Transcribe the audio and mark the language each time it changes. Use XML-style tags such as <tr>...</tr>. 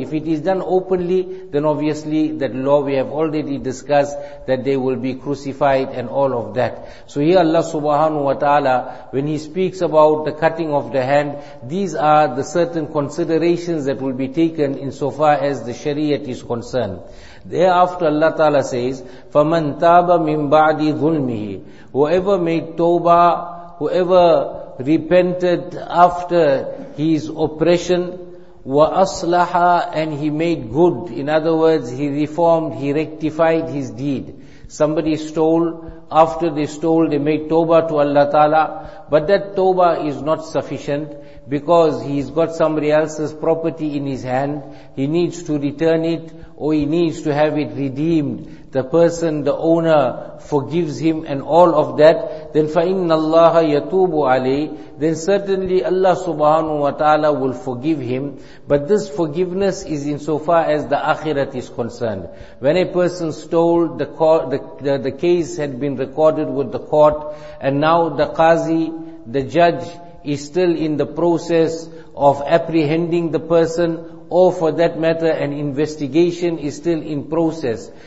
<en>If it is done openly, then obviously that law we have already discussed, that they will be crucified and all of that. So here Allah subhanahu wa ta'ala, when he speaks about the cutting of the hand, these are the certain considerations that will be taken insofar as the Shariat is concerned. Thereafter Allah ta'ala says,</en> <ar>فَمَنْ تَابَ مِنْ بَعْدِ ظُلْمِهِ.</ar> <en>Whoever made tawbah, whoever repented after his oppression, وَأَصْلَحَ, and he made good. In other words, he reformed, he rectified his deed. Somebody stole, after they stole, they made tawbah to Allah ta'ala, but that tawbah is not sufficient, because he's got somebody else's property in his hand, he needs to return it, or he needs to have it redeemed. The person, the owner, forgives him and all of that.</en> <ar>Then فَإِنَّ اللَّهَ يَتُوبُ عَلَيْهِ.</ar> <en>Then certainly Allah subhanahu wa ta'ala will forgive him. But this forgiveness is insofar as the akhirat is concerned. When a person stole, the case had been recorded with the court, and now the qazi, the judge, is still in the process of apprehending the person, or for that matter, an investigation is still in process.</en>